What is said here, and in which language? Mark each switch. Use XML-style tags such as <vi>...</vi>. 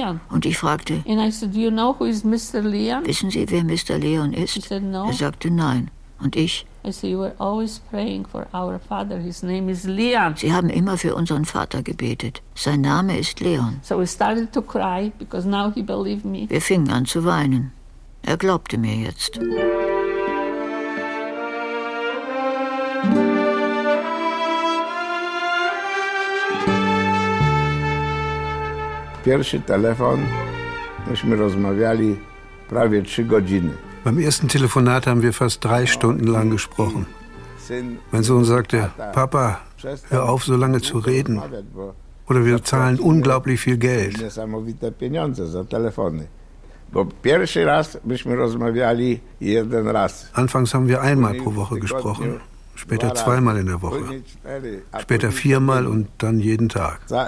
<de>Und ich fragte, wissen Sie, wer Mr. Leon ist? Er sagte, nein. Und ich? Sie haben immer für unseren Vater gebetet. Sein Name ist Leon.</de> <en>So we started to cry because now he believed me.</en> <de>Wir fingen an zu weinen. Er glaubte mir jetzt.</de> <pl>Pierwszy telefon, myśmy rozmawiali prawie trzy godziny.</pl> <de>Beim ersten Telefonat haben wir fast drei Stunden lang gesprochen. Mein Sohn sagte, Papa, hör auf, so lange zu reden. Oder wir zahlen unglaublich viel Geld.</de> <pl>Niesamowite pieniądze za telefony. Bo pierwszy raz myśmy rozmawiali jeden raz.</pl> <de>Anfangs haben wir einmal pro Woche gesprochen, später zweimal in der Woche, später viermal und dann jeden Tag.</de>